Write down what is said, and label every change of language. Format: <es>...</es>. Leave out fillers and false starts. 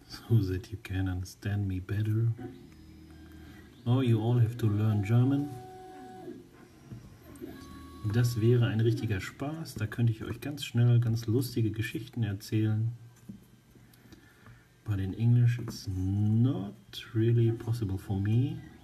<en>That you can understand me better. Oh, you all have to learn German.</en> <de>Das wäre ein richtiger Spaß. Da könnte ich euch ganz schnell ganz lustige Geschichten erzählen.</de> <en>But in English it's not really possible for me.</en>